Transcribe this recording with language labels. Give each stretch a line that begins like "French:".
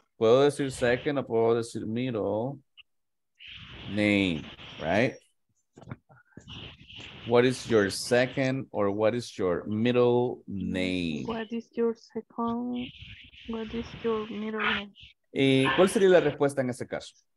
Spanish: Puedo decir second o puedo decir middle name, right?
English: What is your second or what is your middle name? What is your middle name?
Spanish: ¿Y cuál sería la respuesta en ese caso?